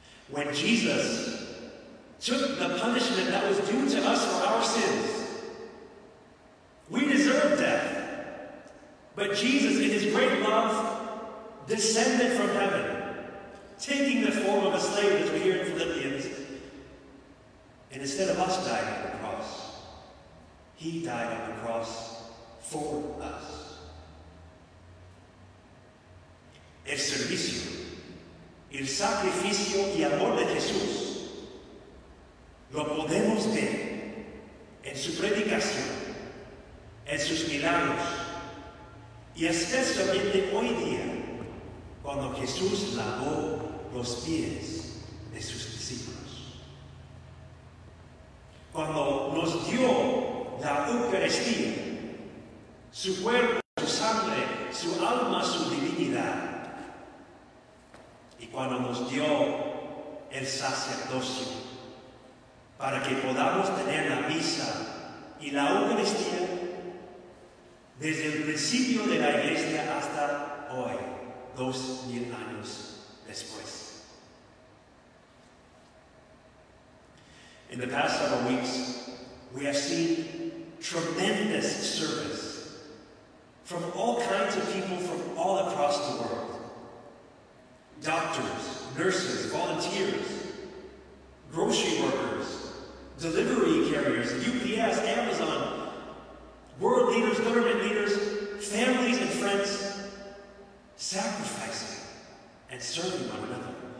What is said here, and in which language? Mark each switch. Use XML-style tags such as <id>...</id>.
<en>When Jesus took the punishment that was due to us for our sins, we deserve death, but Jesus, in his great love, descended from heaven, taking the form of a slave, as we hear in Philippians. And instead of us dying on the cross, he died on the cross for us.</en> <es>El servicio, el sacrificio y amor de Jesús, lo podemos ver en su predicación, en sus milagros, y especialmente hoy día, cuando Jesús lavó los pies de sus discípulos. Cuando nos dio la Eucaristía, su cuerpo, su sangre, su alma, su divinidad, y cuando nos dio el sacerdocio para que podamos tener la misa y la Eucaristía desde el principio de la Iglesia hasta hoy, 2000 años después.</es> <en>In the past several weeks, we have seen tremendous service from all kinds of people from all across the world. Doctors, nurses, volunteers, grocery workers, delivery carriers, UPS, Amazon, world leaders, government leaders, families and friends, sacrificing and serving one another.</en>